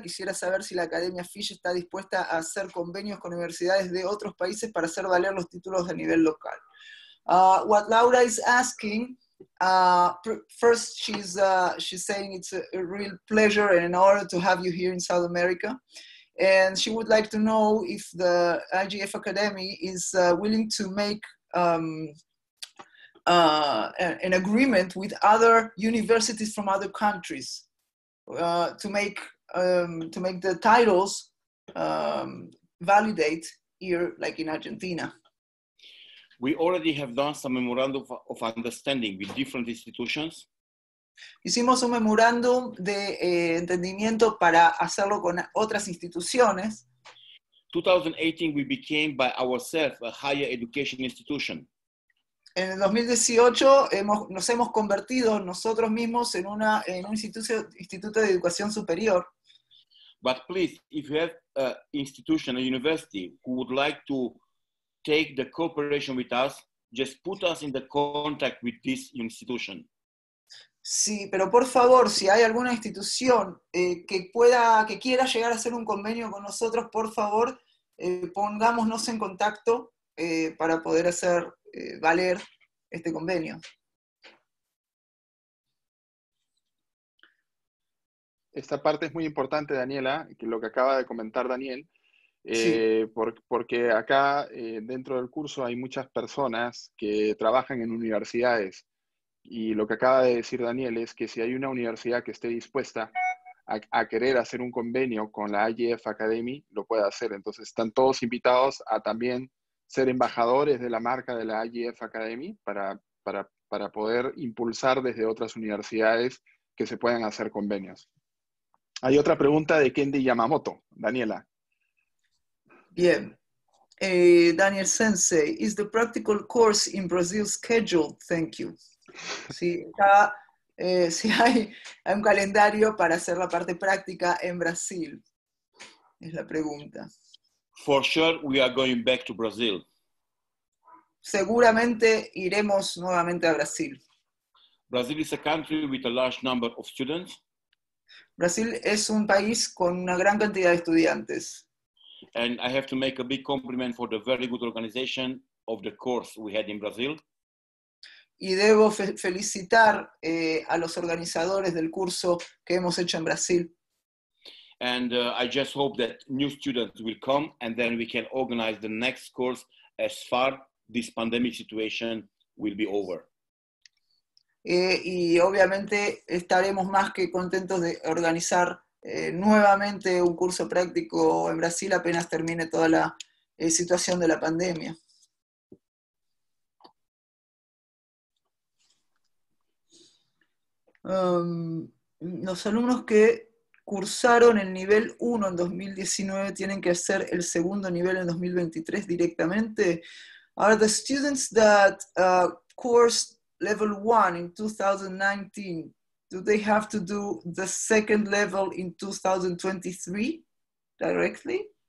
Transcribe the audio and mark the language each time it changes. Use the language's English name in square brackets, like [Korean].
[Spanish] Quisiera saber si la Academia Fish está dispuesta a hacer convenios con universidades de otros países para hacer valer los títulos a nivel local. [English] What Laura is asking, first she's saying it's a real pleasure and an honor to have you here in South America. And she would like to know if the IGF Academy is willing to make an agreement with other universities from other countries to make the titles validate here, like in Argentina. We already have done some memorandum of understanding with different institutions. [Spanish] Hicimos un memorándum de entendimiento para hacerlo con otras instituciones. [English] 2018 we became by ourselves a higher education institution. [Spanish] En el 2018 nos hemos convertido nosotros mismos en un instituto de educación superior. [English] But please, if you have an institution, a university who would like to take the cooperation with us, just put us in the contact with this institution. [Spanish] Sí, pero por favor, si hay alguna institución que quiera llegar a hacer un convenio con nosotros, por favor, pongámonos en contacto para poder hacer valer este convenio. Esta parte es muy importante, Daniela, que lo que acaba de comentar Daniel, sí. Porque acá dentro del curso hay muchas personas que trabajan en universidades. Y lo que acaba de decir Daniel es que si hay una universidad que esté dispuesta a querer hacer un convenio con la IGF Academy, lo puede hacer. Entonces están todos invitados a también ser embajadores de la marca de la IGF Academy para poder impulsar desde otras universidades que se puedan hacer convenios. Hay otra pregunta de Kendi Yamamoto. Daniela. Bien. [English] Daniel Sensei, is the practical course in Brazil scheduled? Thank you. [Spanish] Sí, si hay un calendario para hacer la parte práctica en Brasil, es la pregunta. [English] For sure, we are going back to Brazil. [Spanish] Seguramente iremos nuevamente a Brasil. [English] Brazil is a country with a large number of students. [Spanish] Brasil es un país con una gran cantidad de estudiantes. [English] And I have to make a big compliment for the very good organization of the course we had in Brazil. [Spanish] Y debo felicitar a los organizadores del curso que hemos hecho en Brasil. [English] And I just hope that new students will come and then we can organize the next course as far this pandemic situation will be over. [Spanish] Y obviamente estaremos más que contentos de organizar nuevamente un curso práctico en Brasil apenas termine toda la situación de la pandemia. Los alumnos que cursaron el nivel 1 en 2019 tienen que hacer el segundo nivel en 2023 directamente. [English] Are the students that cursed level 1 in 2019, do they have to do the second level in 2023 directly?